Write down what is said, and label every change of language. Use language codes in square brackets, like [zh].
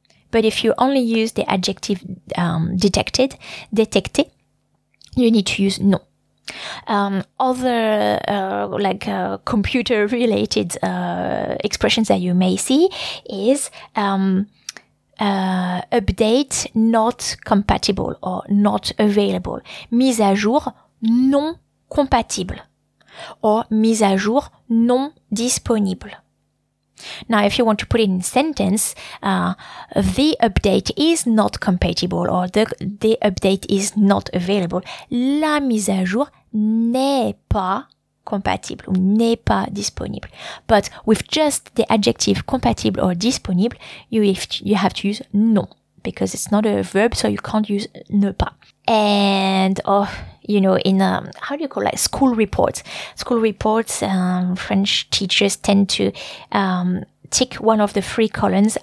[en] But if you only use the adjective detected, détecté, you need to use non. Other computer related expressions that you may see is update not compatible or not available. [fr] Mise à jour non compatible or mise à jour non disponible. [en] Now, if you want to put it in a sentence, the update is not compatible or the update is not available. [fr] La mise à jour n'est pas compatible, n'est pas disponible. [en] But with just the adjective compatible or disponible, you have to use non, because it's not a verb, so you can't use ne pas. And, oh, you know, in, how do you call it, like school reports. School reports, French teachers tend to tick one of the three columns.